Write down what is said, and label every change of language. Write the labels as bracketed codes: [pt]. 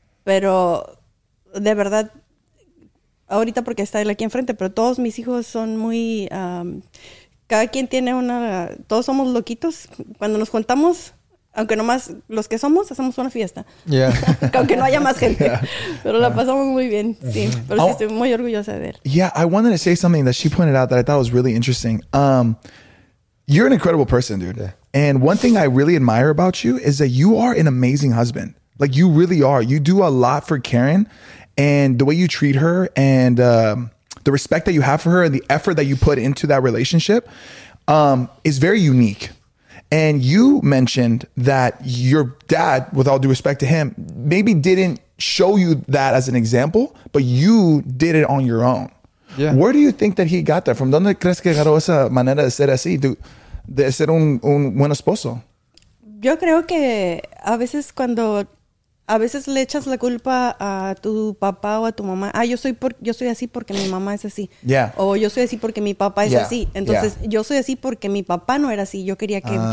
[es] Pero de verdad ahorita porque está él aquí enfrente, pero todos mis hijos son muy cada quien tiene una, todos somos loquitos cuando nos juntamos. Aunque nomás los que somos, hacemos una fiesta. [en] Yeah. [es] Aunque no haya más gente. Yeah. Pero la pasamos muy bien. Sí. Pero sí, estoy muy orgullosa de él. [en] Yeah, I wanted to say something that she pointed out that I thought was really interesting. You're an incredible person, dude. Yeah. And one thing I really admire about you is that you are an amazing husband. Like, you really are. You do a lot for Karen. And the way you treat her and the respect that you have for her and the effort that you put into that relationship is very unique. And you mentioned that your dad, with all due respect to him, maybe didn't show you that as an example, but you did it on your own. Yeah. Where do you think that he got that from? [es] ¿Dónde crees que agarró esa manera de ser así, de ser un buen esposo? Yo creo que a veces le echas la culpa a tu papá o a tu mamá. Ah, yo soy así porque mi mamá es así. [en] Yeah. [es] O yo soy así porque mi papá es así. Entonces, yo soy así porque mi papá no era así. Yo quería que...